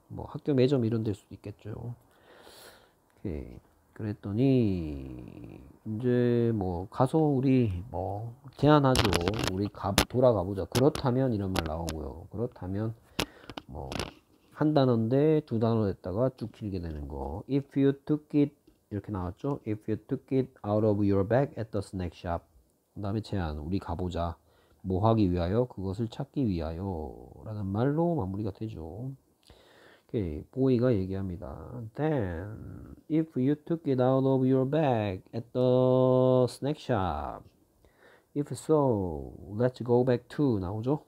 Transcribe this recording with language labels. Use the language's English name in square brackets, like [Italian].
[Korean] 뭐 학교 매점 이런 데일 수도 있겠죠. 오케이. 그랬더니 이제 뭐 가서 우리 뭐 제안하죠. 우리 돌아가 보자. 그렇다면 이런 말 나오고요. 그렇다면 뭐한 단어인데 두 단어 했다가 쭉 길게 되는 거. [English] If you took it [Korean] 이렇게 나왔죠. [English] If you took it out of your bag at the snack shop. [Korean] 그다음에 제안. 우리 가보자. 뭐 하기 위하여? 그것을 찾기 위하여라는 말로 마무리가 되죠. 오케이, 보이가 얘기합니다. [English] Then, if you took it out of your bag at the snack shop, if so, let's go back to 나오죠?